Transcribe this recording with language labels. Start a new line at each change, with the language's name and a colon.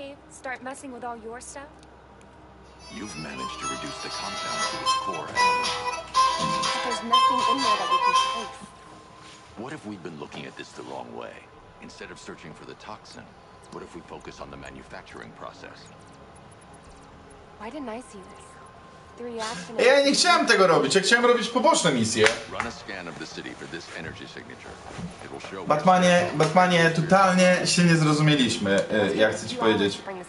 English: Start messing with all your stuff? You've managed to reduce the compound to its core elements. But there's nothing in there that we can trace. What if we've been looking at this the wrong way? Instead of searching for the toxin, what if we focus on the manufacturing process? Why didn't I see this? The reaction...
Polish: Ja nie chciałem tego robić, ja chciałem robić poboczne misje.
English: Run a scan of the city for this energy signature.
Polish: Batmanie, Batmanie, totalnie się nie zrozumieliśmy, jak chcę ci powiedzieć.